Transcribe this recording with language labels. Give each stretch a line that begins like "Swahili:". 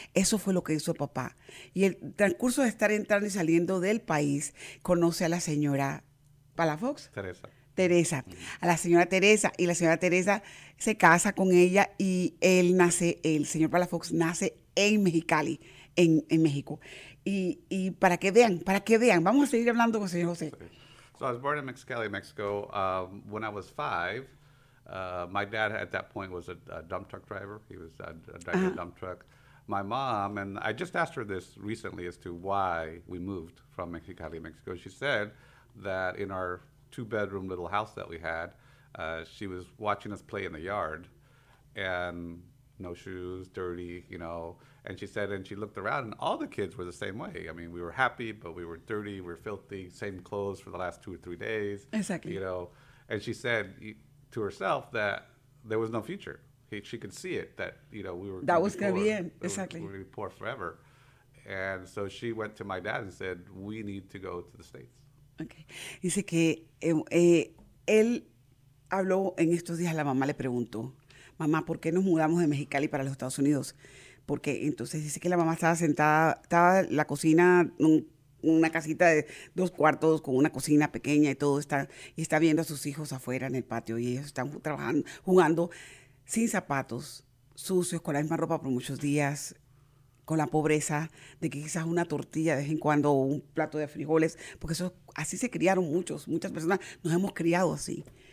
Spanish: Eso fue lo que hizo papá. Y el transcurso de estar entrando y saliendo del país, conoce a la señora Palafox. Teresa. A la señora Teresa. Y la señora Teresa se casa con ella y él nace, el señor Palafox nace en Mexicali, en México. Y para que vean, vamos a seguir hablando con el señor José.
English: So I was born in Mexicali, Mexico. When I was 5, my dad at that point was a dump truck driver. He was a driver of a dump truck. My mom, and I just asked her this recently as to why we moved from Mexicali, Mexico. She said that in our 2-bedroom little house that we had, she was watching us play in the yard and no shoes, dirty, you know. And she said, and she looked around, and all the kids were the same way. I mean, we were happy, but we were dirty, we were filthy, same clothes for the last 2 or 3 days. Exactly. You know, and she said to herself that there was no future. she could see it, that, you know, we were that was going to be in exactly we were going to be poor forever. And so she went to my dad and said, we need to go to the States. Okay.
Spanish: Dice que él habló en estos días, la mamá le preguntó, mamá, ¿por qué nos mudamos de Mexicali para los Estados Unidos? Porque entonces dice que la mamá estaba sentada, estaba en la cocina, una casita de dos cuartos con una cocina pequeña y todo, y está viendo a sus hijos afuera en el patio y ellos están trabajando, jugando sin zapatos, sucios, con la misma ropa por muchos días, con la pobreza de que quizás una tortilla de vez en cuando o un plato de frijoles, porque eso, así se criaron muchos, muchas personas nos hemos criado así.